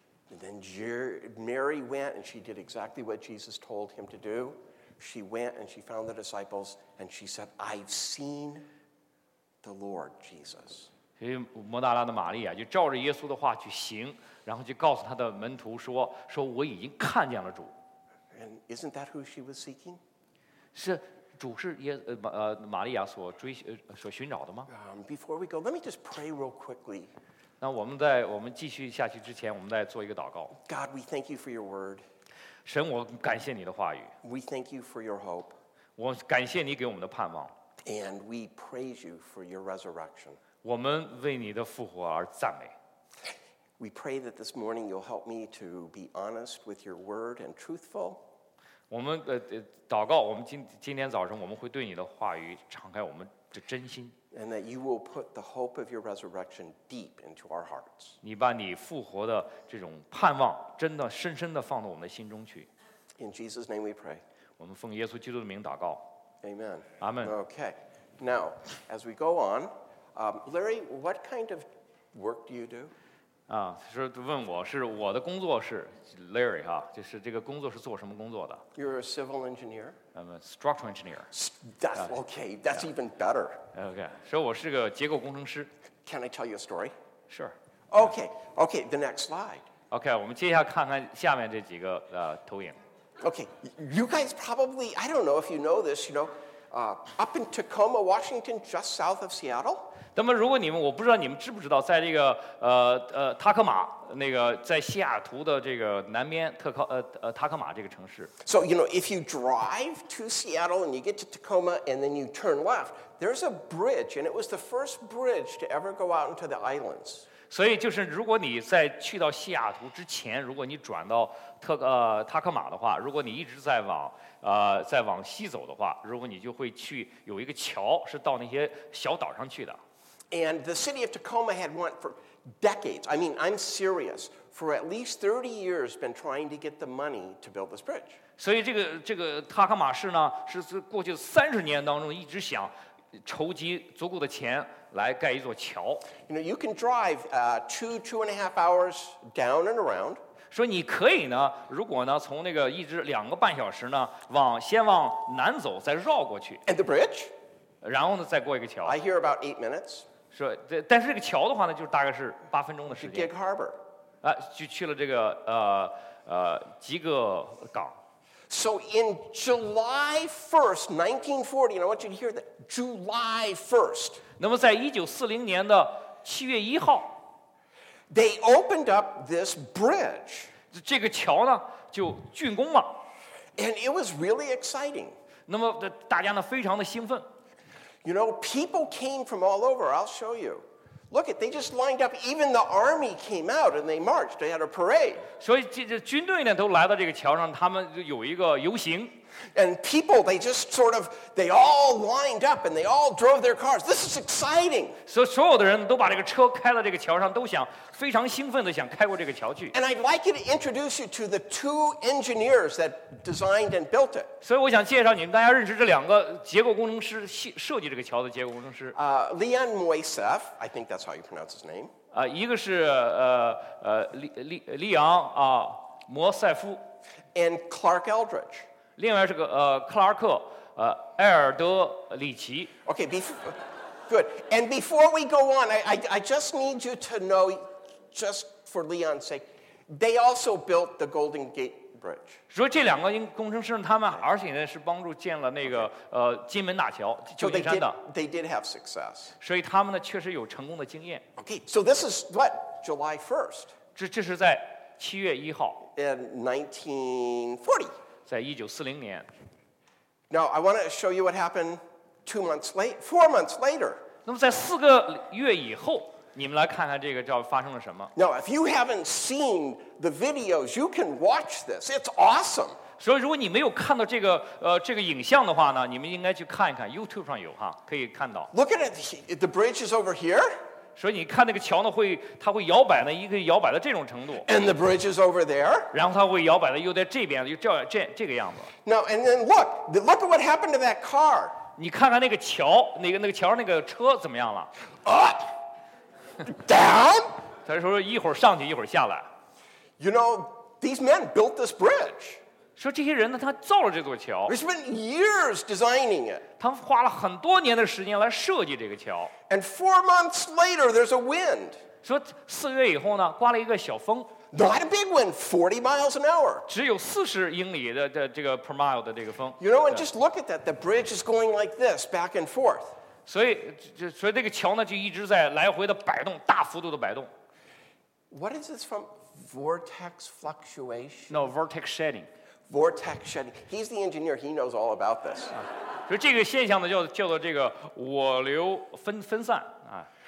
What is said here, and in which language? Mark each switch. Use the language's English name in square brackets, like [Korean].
[English] And then Mary went and she did exactly what Jesus told him to do. She went and she found the disciples and she said, I've seen the Lord Jesus. [Chinese] 所以摩大拉的玛利亚就照着耶稣的话去行，然后就告诉他的门徒说，说我已经看见了主。 [English] And isn't that who she was seeking? [Chinese] 是主是耶玛利亚所追所寻找的吗？ [English] Before we go, let me just pray real quickly. [Chinese] 那我们在我们继续下去之前，我们再做一个祷告。 [English] God, we thank you for your word. [Chinese] 神，我感谢你的话语。 [English] We thank you for your hope. [Chinese] 我感谢你给我们的盼望。 [English] And we praise you for your resurrection. [Chinese] 我们为你的复活而赞美。 [English] We pray that this morning you'll help me to be honest with your word and truthful. [Chinese] 我们祷告，我们今天早晨我们会对你的话语敞开我们的真心。 [English] And that you will put the hope of your resurrection deep into our hearts. [Chinese] 你把你复活的这种盼望真的深深的放到我们的心中去。 [English] In Jesus' name we pray. [Chinese] 我们奉耶稣基督的名祷告。 [English] Amen. Amen. Okay. Now, as we go on, Larry, what kind of work do you do? [Chinese] 啊，说问我是我的工作是 Larry 哈，就是这个工作是做什么工作的 [English] ？You're a civil engineer. I'm a structural engineer. That's okay. That's even better. [Chinese] Okay. 说我是个结构工程师。 [English] Can I tell you a story? Sure. Okay. Okay. The next slide. Okay. [Chinese] 我们接下来看看下面这几个投影。 [English] Okay, you guys probably, I don't know if you know this, you know, up in Tacoma, Washington, just south of Seattle. [Chinese] 那么如果你们，我不知道你们知不知道，在这个塔克马那个在西雅图的这个南边塔克马这个城市。 [English] So, you know, if you drive to Seattle and you get to Tacoma and then you turn left, there's a bridge and it was the first bridge to ever go out into the islands. [Chinese] 所以就是如果你在去到西雅图之前，如果你转到塔克马的话，如果你一直在往西走的话，如果你就会去有一个桥是到那些小岛上去的。 [English] And the city of Tacoma had wanted for decades, I mean, I'm serious, for at least 30 years been trying to get the money to build this bridge. [Chinese] 所以这个塔克马市呢，是过去三十年当中一直想筹集足够的钱来盖一座桥。 [English] You know, you can drive two and a half hours down and around. [Chinese] 说你可以呢，如果呢，从那个一直两个半小时呢，先往南走，再绕过去。 [English] And the bridge? [Chinese] 然后呢，再过一个桥。 [English] I hear about 8 minutes. [Chinese] 说，但是这个桥的话呢，就大概是8分钟的时间。 [English] To Gig Harbor. [Chinese] 啊，就去了这个吉格港。 [English] So in July 1st, 1940, and I want you to hear that, July 1st. [Chinese] 那么在1940年的7月1号 [English] they opened up this bridge. [Chinese] 这个桥呢就竣工了。 [English] And it was really exciting. [Chinese] 那么大家呢非常的兴奋。 [English] You know, people came from all over, I'll show you. Look, they just lined up. Even the army came out and they marched. They had a parade. [Chinese] 所以这军队呢都来到这个桥上，他们有一个游行。 [English] And people, they just sort of, they all lined up and they all drove their cars. This is exciting. [Chinese] 所有的人都把这个车开了这个桥上，都想非常兴奋的想开过这个桥去。 [English] And I'd like you to introduce you to the two engineers that designed and built it. [Chinese] 所以我想介绍你们大家认识这两个结构工程师，设计这个桥的结构工程师。 [English] Leon Moiseff, I think that's how you pronounce his name. [Chinese] 一个是利昂啊摩塞夫。 [English] And Clark Eldridge. [Chinese] 另外是个克拉克埃尔德里奇。 [English] Okay, good. And before we go on, I just need you to know, just for Leon's sake, they also built the Golden Gate Bridge. [Chinese] 说这两个工程师他们而且呢是帮助建了那个金门大桥，旧金山的。 [English] They did have success. [Chinese] 所以他们呢确实有成功的经验。 [English] Okay, so this is what July 1st. [Chinese] 这是在七月一号。 [English] In 1940. [Chinese] 在1940年。 [English] Now I want to show you what happened four months later. [Chinese] 那么在四个月以后，你们来看看这个叫发生了什么。 [English] Now if you haven't seen the videos, you can watch this. It's awesome. [Chinese] 所以如果你没有看到这个影像的话呢，你们应该去看一看 ，YouTube 上有哈，可以看到。 [English] Look at it. The bridge is over here. [Chinese] 所以你看那个桥呢，会它会摇摆呢，一个摇摆到这种程度。 [English] And the bridge is over there. [Chinese] 然后它会摇摆的又在这边，又这个样子。 [English] Now and then look at what happened to that car. [Chinese] 你看看那个桥，那个桥那个车怎么样了 [English] ？Up, down. [Chinese] 他说一会儿上去，一会儿下来。 [English] You know these men built this bridge. [Chinese] 说这些人呢，他造了这座桥。 [English] They spent years designing it. [Chinese] 他们花了很多年的时间来设计这个桥。 [English] And 4 months later, there's a wind. [Chinese] 说四月以后呢，刮了一个小风。 [English] Not a big wind, 40 miles an hour. [Chinese] 只有四十英里的这个 [English] per mile [Chinese] 的这个风。 [English] You know, and just look at that. The bridge is going like this, back and forth. [Chinese] 所以这个桥呢，就一直在来回的摆动，大幅度的摆动。 [English] What is this from? Vortex fluctuation? No, vortex shedding. Vortex shedding. He's the engineer. He knows all about this. [Chinese] 所以这个现象呢，叫做这个涡流分散啊。